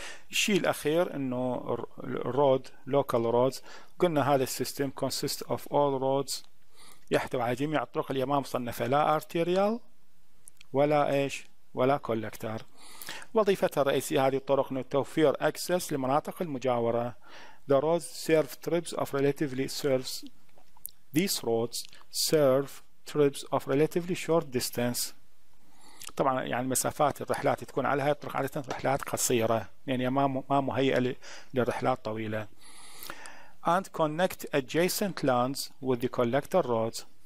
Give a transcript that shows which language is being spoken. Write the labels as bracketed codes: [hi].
[ar] الشيء الاخير انه رود، لوكال رودز، قلنا هذا السيستم [en] consist of all roads, [ar] يحتوي على جميع الطرق اللي ما مصنفه لا ارتيريال ولا ايش ولا كولكتر. وظيفتها الرئيسية هذه الطرق أن توفير أكسس لمناطق المجاورة. [en] The roads serve trips of relatively serves these roads serve trips of relatively short distance. [ar] طبعا يعني مسافات الرحلات تكون على هذه الطرق عادة رحلات قصيرة، يعني ما مهيئة للرحلات طويلة. [en] And connect adjacent lands with the collector roads.